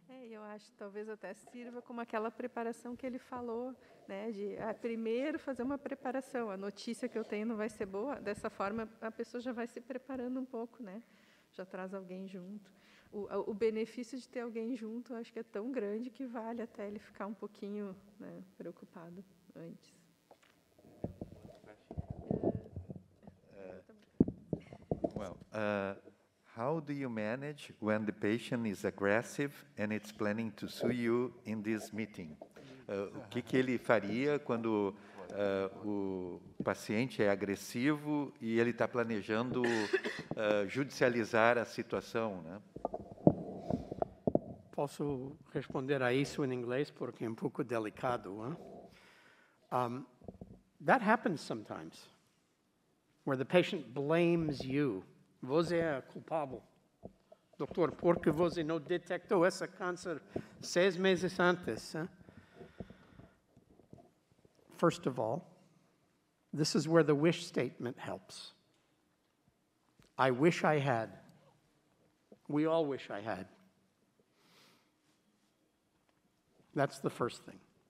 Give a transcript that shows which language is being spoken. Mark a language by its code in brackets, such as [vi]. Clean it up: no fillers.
[pt] Eu acho que talvez até sirva como aquela preparação que ele falou, né, de primeiro fazer uma preparação, a notícia que eu tenho não vai ser boa, dessa forma a pessoa já vai se preparando um pouco, né, já traz alguém junto. O benefício de ter alguém junto, acho que é tão grande que vale até ele ficar um pouquinho, né, preocupado antes. [en] Well, how do you manage when the patient is aggressive and it's planning to sue you in this meeting? [pt] O que ele faria quando o paciente é agressivo e ele está planejando judicializar a situação, né? Posso responder a isso em inglês porque é um pouco delicado. [en] That happens sometimes, where the patient blames you. [pt] Você é culpável, doutor, porque você não detectou esse câncer 6 meses antes. [en] First of all, this is where the wish statement helps. I wish I had. We all wish I had. That's the first thing.